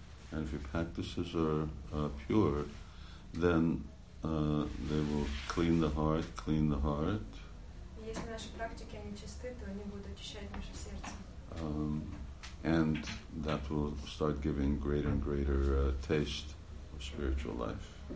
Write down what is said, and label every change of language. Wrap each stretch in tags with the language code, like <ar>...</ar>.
<en>And if your practices are pure, then they will clean the heart, clean the heart.</en> <ru>Если наши практики они чисты, то они будут очищать наше сердце.</ru> <en>And that will start giving greater and greater taste of spiritual life.</en>